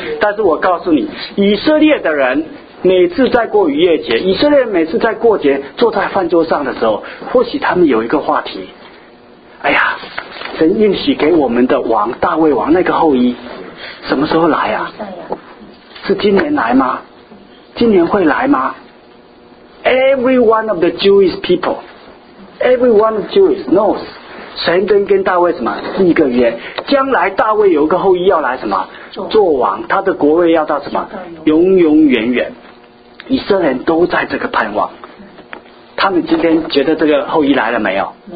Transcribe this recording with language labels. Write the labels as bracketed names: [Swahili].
[Chinese] 但是我告诉你，以色列的人每次在过逾越节，以色列每次在过节坐在饭桌上的时候，或许他们有一个话题：哎呀，神应许给我们的王大卫王那个后裔，什么时候来啊？是今年来吗？今年会来吗 [English] ？Every one of the Jewish people. Everyone Jewish knows， [Chinese] 神跟大卫什么立个约，将来大卫有个后裔要来什么做王，他的国位要到什么永永远远。以色列人都在这个盼望。他们今天觉得这个后裔来了没有？